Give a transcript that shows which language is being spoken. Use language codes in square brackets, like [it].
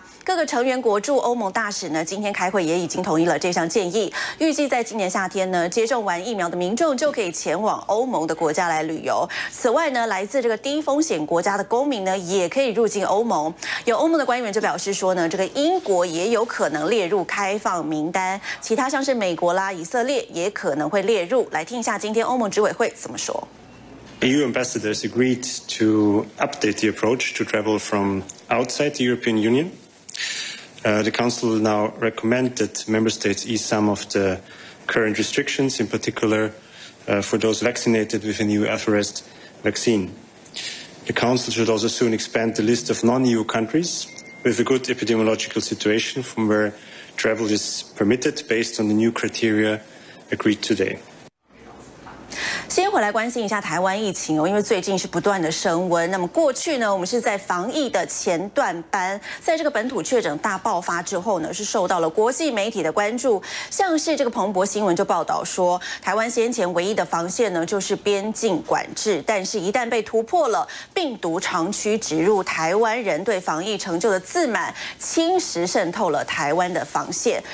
[zh] 各个成员国驻欧盟大使呢，今天开会也已经同意了这项建议，预计在今年夏天呢，接种完疫苗的民众就可以前往欧盟的国家来旅游。此外呢，来自这个低风险国家的公民呢，也可以入境欧盟。有欧盟的官员就表示说呢，这个英国也有可能列入开放名单，其他像是美国啦、以色列也可能会列入。来听一下今天欧盟执委会怎么说。 [en] EU ambassadors agreed to update the approach to travel from outside the European Union. The Council will now recommend that member states ease some of the current restrictions, in particular, for those vaccinated with a new Alpharest vaccine. The Council should also soon expand the list of non-EU countries with a good epidemiological situation from where travel is permitted based on the new criteria agreed today. [zh] 先回来关心一下台湾疫情哦，因为最近是不断的升温。那么过去呢，我们是在防疫的前段班，在这个本土确诊大爆发之后呢，是受到了国际媒体的关注。像是这个彭博新闻就报道说，台湾先前唯一的防线呢就是边境管制，但是一旦被突破了，病毒长驱直入，台湾人对防疫成就的自满侵蚀渗透了台湾的防线。